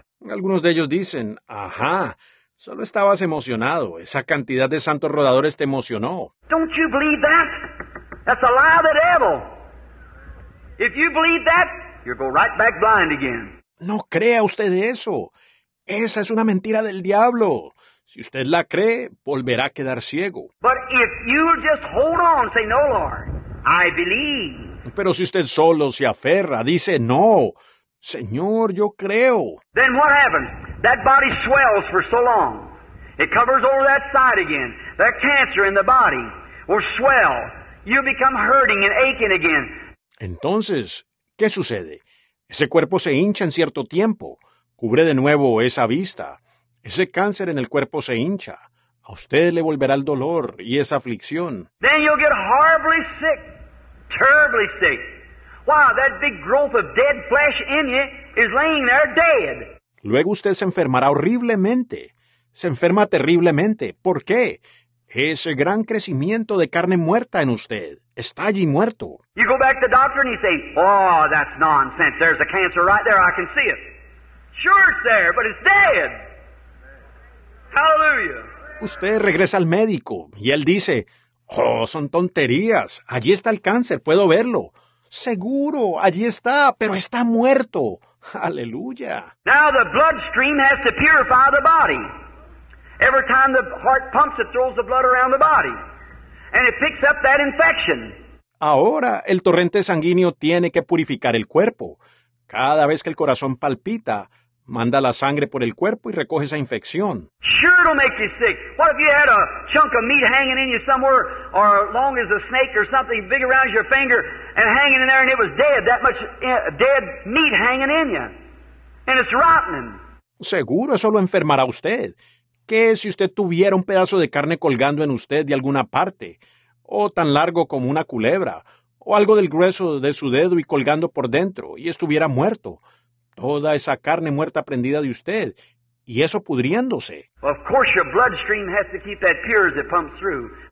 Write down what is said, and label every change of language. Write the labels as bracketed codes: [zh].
[es] Algunos de ellos dicen, ajá, solo estabas emocionado. Esa cantidad de santos rodadores te emocionó. [en] Don't you believe that? That's a lie of the devil. If you believe that, you'll go right back blind again. [es] No crea usted eso. Esa es una mentira del diablo. Si usted la cree, volverá a quedar ciego. [en] But if you just hold on, say no, Lord, I believe. [es] Pero si usted solo se aferra, dice no, Señor, yo creo. [en] Then what happens? That body swells for so long. It covers over that side again. That cancer in the body will swell. You become hurting and aching again. [es] Entonces, ¿qué sucede? Ese cuerpo se hincha en cierto tiempo. Cubre de nuevo esa vista. Ese cáncer en el cuerpo se hincha. A usted le volverá el dolor y esa aflicción. [en] Then you'll get horribly sick. Terribly sick. Wow, that big growth of dead flesh in you is laying there dead. [es] Luego usted se enfermará horriblemente. Se enferma terriblemente. ¿Por qué? Ese gran crecimiento de carne muerta en usted. Está allí muerto. [en] You go back to the doctor and you say, oh, that's nonsense. There's a cancer right there. I can see it. Sure it's there, but it's dead. Hallelujah. [es] Usted regresa al médico y él dice, oh, son tonterías. Allí está el cáncer. Puedo verlo. Seguro, allí está, pero está muerto. Aleluya. [en] Now the bloodstream has to purify the body. Every time the heart pumps, it throws the blood around the body. And it picks up that infection. [es] Ahora el torrente sanguíneo tiene que purificar el cuerpo. Cada vez que el corazón palpita, manda la sangre por el cuerpo y recoge esa infección. [en] Sure it'll make you sick. What if you had a chunk of meat hanging in you somewhere, or long as a snake or something big around your finger, and hanging in there and it was dead, that much dead meat hanging in you. And it's rotten. [es] Seguro eso lo enfermará a usted. ¿Qué si usted tuviera un pedazo de carne colgando en usted de alguna parte? O tan largo como una culebra, o algo del grueso de su dedo y colgando por dentro, y estuviera muerto. Toda esa carne muerta prendida de usted, y eso pudriéndose. [en] Of course your bloodstream has to keep that pure as it pumps through.